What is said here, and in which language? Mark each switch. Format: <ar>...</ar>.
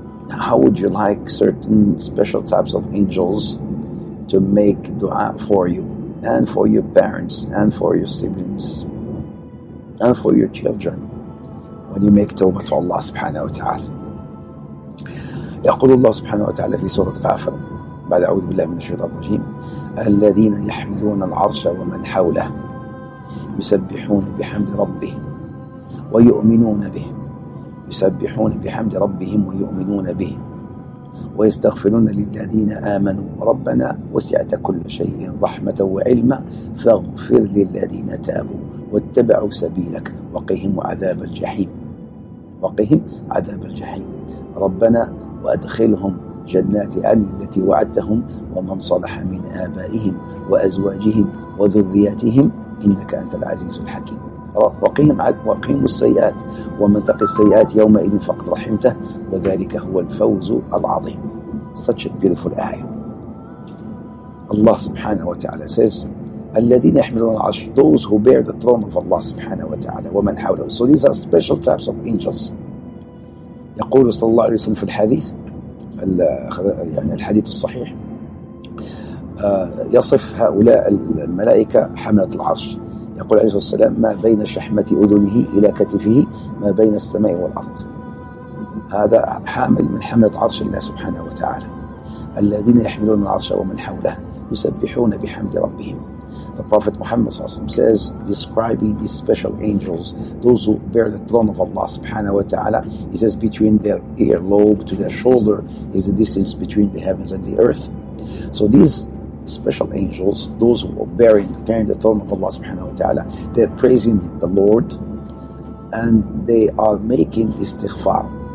<en>How would you like certain special types of angels to make dua for you and for your parents and for your siblings and for your children when you make tawbah to Allah subhanahu wa ta'ala?</en> <ar>يقول الله سبحانه وتعالى في سورة غافر بعد أعوذ بالله من الشيطان الرجيم الذين يحملون العرش ومن حوله يسبحون بحمد ربهم ويؤمنون به يسبحون بحمد ربهم ويؤمنون به ويستغفرون للذين آمنوا ربنا وسعت كل شيء رحمة وعلما فاغفر للذين تابوا واتبعوا سبيلك وقهم عذاب الجحيم وقهم عذاب الجحيم ربنا وأدخلهم جنات عدن التي وعدتهم ومن صلح من آبائهم وأزواجهم وذرياتهم إنك أنت العزيز الحكيم وقيم السيئات ومن تق السيئات يومئذ فقد رحمته وذلك هو الفوز العظيم.</ar> <en>Such a beautiful ayah. Allah subhanahu wa ta'ala says</en> <ar>الذين يحملون العرش,</ar> <en>those who bear the throne of Allah subhanahu wa ta'ala,</en> <ar>ومن حوله.</ar> <en>So these are special types of angels.</en> <ar>يقول صلى الله عليه وسلم في الحديث, يعني الحديث الصحيح, يصف هؤلاء الملائكة حملة العرش. يقول عليه الصلاة والسلام ما بين شحمة أذنه إلى كتفه ما بين السماء والأرض, هذا حامل من حملة عرش الله سبحانه وتعالى. الذين يحملون العرش ومن حوله يسبحون بحمد ربهم.</ar> <en>The Prophet Muhammad</en> <ar>صلى الله عليه وسلم</ar> <en>says, describing these special angels, those who bear the throne of Allah subhanahu wa ta'ala, he says, between their earlobe to their shoulder is the distance between the heavens and the earth. So these special angels, those who are bearing the throne of Allah subhanahu wa ta'ala, they're praising the Lord and they are making istighfar.</en>